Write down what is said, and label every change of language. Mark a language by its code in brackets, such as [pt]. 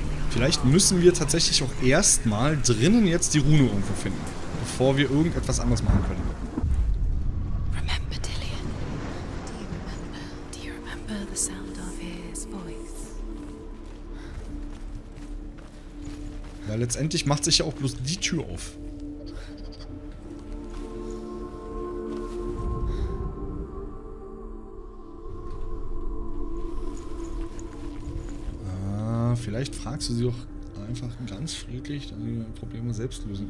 [de] Vielleicht müssen wir tatsächlich auch erstmal drinnen jetzt die Rune irgendwo finden, bevor wir irgendetwas anderes machen können. [en] Remember, Dillian. Do you remember the sound of his voice? [de] Ja, letztendlich macht sich ja auch bloß die Tür auf. Vielleicht fragst du sie auch einfach ganz friedlich, dann die Probleme selbst lösen.